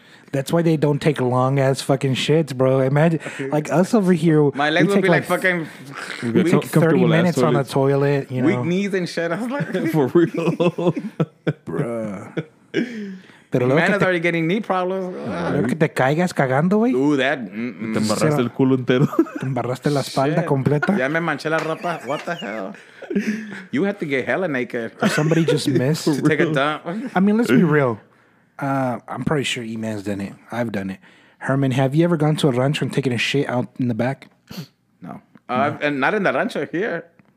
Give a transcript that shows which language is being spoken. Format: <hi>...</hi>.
<en>That's why they don't take long ass fucking shits, bro. Imagine like us over here. My legs would be like fucking. We take 30 minutes on the toilet. You know, weak knees and shit. I was like, for real, bro.</en> <es>Pero</es> <en>man is already getting knee problems.</en> <es>Que te caigas cagando, güey. Te embarraste el culo entero. Te embarraste la espalda completa. Ya me manché la ropa.</es> <en>What the hell? You have to get hella naked. Or somebody just missed. To take a dump. I mean, let's be real. I'm pretty sure E-Man's done it. I've done it. Herman, have you ever gone to a rancho and taken a shit out in the back? No. And not in the rancho here.</en>